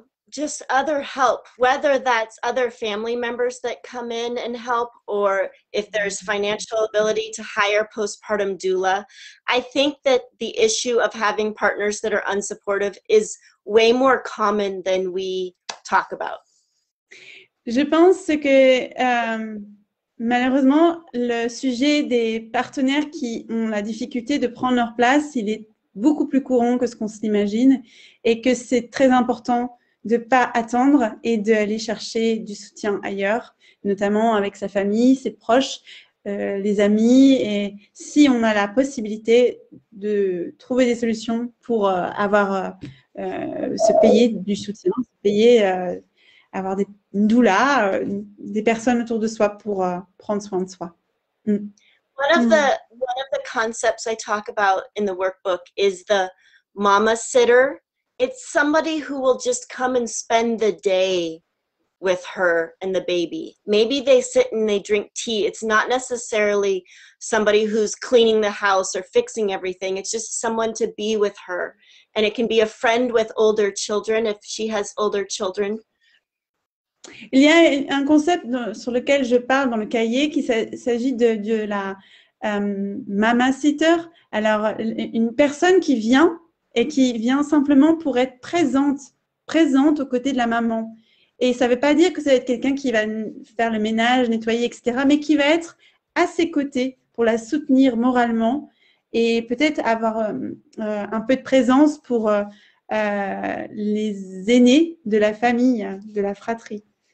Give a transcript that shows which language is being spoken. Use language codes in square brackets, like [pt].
[en] just other help, whether that's other family members that come in and help, or if there's financial ability to hire postpartum doula. I think that the issue of having partners that are unsupportive is way more common than we talk about. [fr] Je pense que malheureusement, le sujet des partenaires qui ont la difficulté de prendre leur place, il est beaucoup plus courant que ce qu'on s'imagine, et que c'est très important de ne pas attendre et d'aller chercher du soutien ailleurs, notamment avec sa famille, ses proches, les amis, et si on a la possibilité de trouver des solutions pour avoir, se payer du soutien, se payer, avoir des doula, des personnes autour de soi pour prendre soin de soi. [en] One of the concepts I talk about in the workbook is the mama sitter. It's somebody who will just come and spend the day with her and the baby. Maybe they sit and they drink tea. It's not necessarily somebody who's cleaning the house or fixing everything. It's just someone to be with her. And it can be a friend with older children if she has older children. [fr] Il y a un concept sur lequel je parle dans le cahier qui s'agit de la mama sitter. Alors, une personne qui vient et qui vient simplement pour être présente aux côtés de la maman. Et ça ne veut pas dire que ça va être quelqu'un qui va faire le ménage, nettoyer, etc., mais qui va être à ses côtés pour la soutenir moralement et peut-être avoir un peu de présence pour les aînés de la famille, de la fratrie.